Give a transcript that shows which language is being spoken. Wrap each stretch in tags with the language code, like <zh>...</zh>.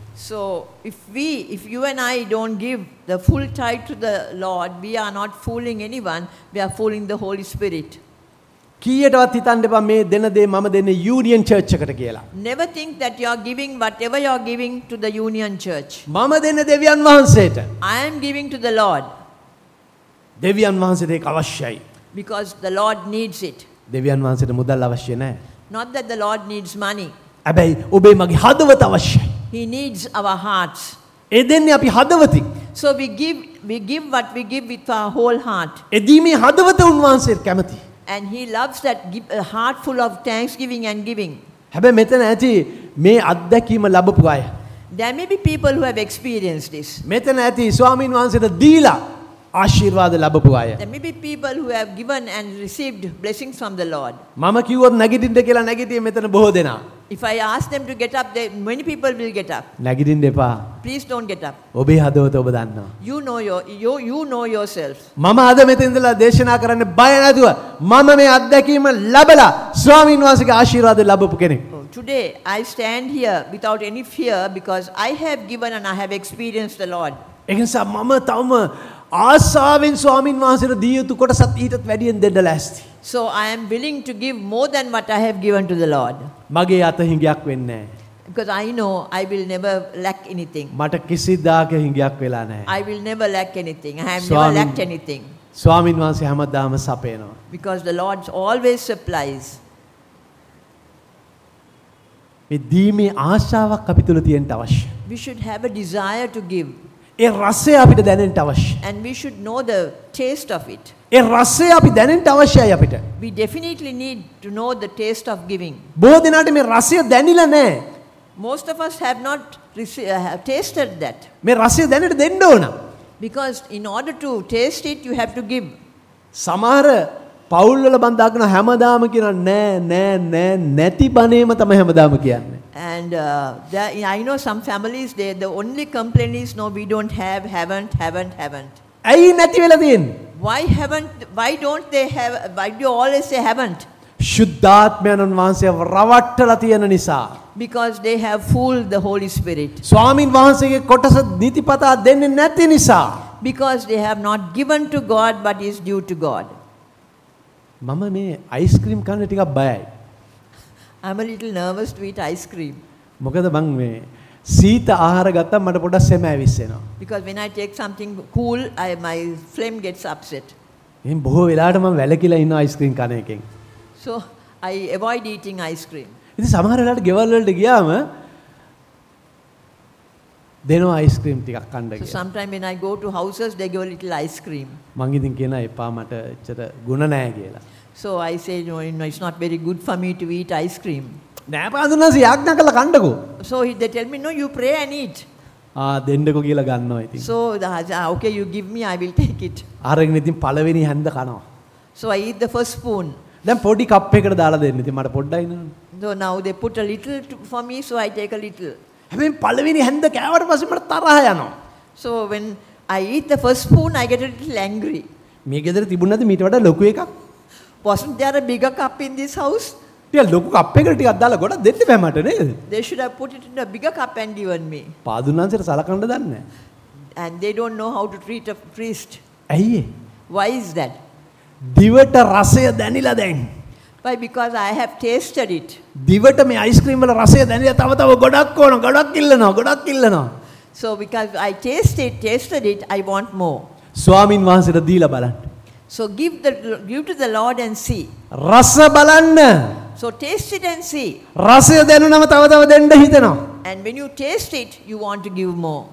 <en>So if you and I don't give the full tithe to the Lord we are not fooling anyone we are fooling the Holy Spirit</en> <si>කීයටවත් හිතන්න එපා මේ දෙන දේ මම දෙන්නේ Union Church එකට කියලා</si> <en>Never think that you are giving whatever you are giving to the Union Church</en> <si>මම දෙන්නේ දෙවියන් වහන්සේට</si> <en>I am giving to the Lord</en> <si>දෙවියන් වහන්සේට ඒක අවශ්‍යයි</si> <en>because the Lord needs it</en> <si>දෙවියන් වහන්සේට මුදල් අවශ්‍ය නැහැ</si> <en>Not that the Lord needs money</en> <si>හැබැයි ඔබේ මගේ හදවත අවශ්‍යයි</si> <en>He needs our hearts.</en> <si>එදෙන්නේ අපි හදවතින්.</si> <en>So we give what we give with our whole heart.</en> <si>එදීමේ හදවත උන්වහන්සේ කැමති.</si> <en>And he loves that give a heart full of thanksgiving and giving.</en> <si>හැබැයි මෙතන ඇති මේ අත්දැකීම ලැබපු අය.</si> <en>There may be people who have experienced this.</en> <si>මෙතන ඇති ස්වාමීන් වහන්සේට දීලා ආශිර්වාද ලැබපු අය.</si> <en>There may be people who have given and received blessings from the Lord.</en> <si>මම කිව්වොත් නැගිටින්න කියලා නැගිටියේ මෙතන බොහෝ දෙනා.</si> <en>If I ask them to get up they many people will get up.</en> <si>නැගිටින්න එපා.</si> <en>Please don't get up.</en> <si>ඔබේ හදවත ඔබ දන්නවා.</si> <en>You know yourself.</en> <si>මම අද මෙතන ඉඳලා දේශනා කරන්න බය නැතුව මම මේ අත්දැකීම ලැබලා ස්වාමීන් වහන්සේගේ ආශිර්වාද ලැබපු කෙනෙක්.</si> <en>Today I stand here without any fear because I have given and I have experienced the Lord.</en> <si>එකෙන්සම් මම තවම ආසාවෙන් ස්වාමින් වහන්සේට දී යුතු කොටසත් ඊටත් වැඩියෙන් දෙන්න ලෑස්ති.</si> <en>So I am willing to give more than what I have given to the Lord.</en> <si>මගේ අත හිඟයක් වෙන්නේ නැහැ.</si> <en>Because I know I will never lack anything.</en> <si>මට කිසිදාක හිඟයක් වෙලා නැහැ.</si> <en>I will never lack anything. I have never lacked anything.</en> <si>ස්වාමීන් වහන්සේ හැමදාම සපයනවා.</si> <en>Because the Lord always supplies.</en> <si>මේ දීමේ ආශාවක් අපි තුල තියෙන්න අවශ්‍ය.</si> <en>We should have a desire to give.</en> <si>ඒ රසය අපිට දැනෙන්න අවශ්‍ය.</si> <en>And we should know the taste of it.</en> <si>ඒ රසය අපි දැනෙන්න අවශ්‍යයි අපිට.</si> <en>We definitely need to know the taste of giving.</en> <si>බොහෝ දෙනාට මේ රසය දැනිලා නැහැ.</si> <en>Most of us have not have tasted that.</en> <si>මේ රසය දැනෙන්න දෙන්න ඕන.</si> <en>Because in order to taste it you have to give.</en> <si>සමහර පවුල් වල බඳාගෙන හැමදාම කියන නෑ නෑ නෑ නැති බණේම තමයි හැමදාම කියන්නේ.</si> <en>And I know some families there the only complaint is no we don't have haven't haven't haven't.</en> <si>ඇයි නැති වෙලා තියෙන්නේ?</si> <en>Why haven't why don't they have why do you always say haven't?</en> <si>ශුද්ධාත්මයන් වහන්සේ රවට්ටලා තියෙන නිසා.</si> <en>Because they have fooled the Holy Spirit.</en> <si>ස්වාමින් වහන්සේගේ කොටස නීතිපතා දෙන්නේ නැති නිසා.</si> <en>Because they have not given to God but is due to God.</en> <si>මම මේ අයිස්ක්‍රීම් කන්න ටිකක් බයයි.</si> <en>I'm a little nervous to eat ice cream.</en> <si>මොකද මං මේ සීත ආහාර ගත්තම මට පොඩක් සෙම ඇවිස්සෙනවා.</si> <en>Because when I take something cool, my phlegm gets upset.</en> <si>මම බොහෝ වෙලාවට මම වැලකිලා ඉන්න අයිස්ක්‍රීම් කන එකෙන්.</si> <en>So I avoid eating ice cream.</en> <si>ඉතින් සමහර වෙලාවට ගෙවල් වලට ගියාම දෙනවා අයිස්ක්‍රීම් ටිකක් කන්න කියලා.</si> <en>So sometime when I go to houses they give a little ice cream.</en> <si>මං ඉතින් කියනවා එපා මට එච්චර ගුණ නැහැ කියලා.</si> <en>So I say no, you know it's not very good for me to eat ice cream.</en> <si>නෑ පාඳුනස යාඥා කළා කන්නකො.</si> <en>So they tell me no you pray and eat.</en> <si>ආ දෙන්නකො කියලා ගන්නවා ඉතින්.</si> <en>So okay you give me I will take it.</en> <si>අරගෙන ඉතින් පළවෙනි හැන්ද කනවා.</si> <en>So I eat the first spoon.</en> <si>දැන් පොඩි කප් එකකට දාලා දෙන්න ඉතින් මට පොඩ්ඩයි නේද.</si> <en>So now they put a little for me so I take a little.</en> <si>හැබැයි පළවෙනි හැන්ද කෑවට පස්සේ මට තරහ යනවා.</si> <en>So when I eat the first spoon I get a little angry.</en> <si>මේ ගෙදර තිබුණාද මීට වඩා ලොකු එකක්?</si> <en>Wasn't there a bigger cup in this house?</en> <si>ටික ලොකු කප් එකකට ටිකක් දාලා ගොඩක් දෙන්න බෑ මට නේද?</si> <en>They should have put it in a bigger cup and given me.</en> <si>පාදුනන්සර සලකන්න දන්නේ නැහැ.</si> <en>And they don't know how to treat a priest.</en> <si>ඇයි?</si> <en>Why is that?</en> <si>දිවට රසය දැනিলা දැන්.</si> <en>Why because I have tasted it.</en> <si>දිවට මේ අයිස්ක්‍රීම් වල රසය දැනিলা තව තව ගොඩක් ඕන ගොඩක් ඉල්ලනවා ගොඩක් ඉල්ලනවා.</si> <en>So because I tasted it I want more.</en> <si>ස්වාමින් වහන්සේට දීලා බලන්න.</si> <en>So give to the Lord and see.</en> <si>Rasa balanna.</si> <en>So taste it and see.</en> <si>Rasaya denunama thawa thawa denna hitena.</si> <en>And when you taste it you want to give more.</en>